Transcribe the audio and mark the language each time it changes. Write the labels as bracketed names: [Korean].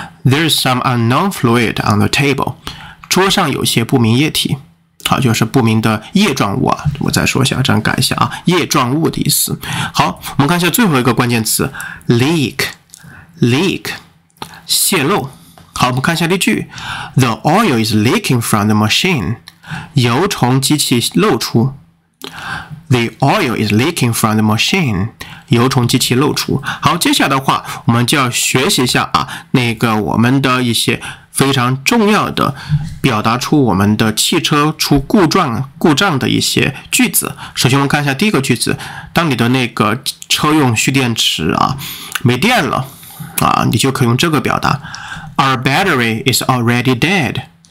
[English] There's some unknown fluid on the table. [Chinese] 桌上有些不明液体。好，就是不明的液状物啊。我再说一下，这样改一下啊，液状物的意思。好，我们看一下最后一个关键词 ，leak， 泄漏。好，我们看下例句。 [English] The oil is leaking from the machine. [Chinese] 油从机器漏出。 [English] The oil is leaking from the machine. [Chinese] 油从机器漏出。好，接下来的话我们就要学习一下啊，那个我们的一些非常重要的表达出我们的汽车出故障的一些句子。首先我们看一下第一个句子，当你的那个车用蓄电池啊没电了啊，你就可以用这个表达 [English] Our battery is already dead。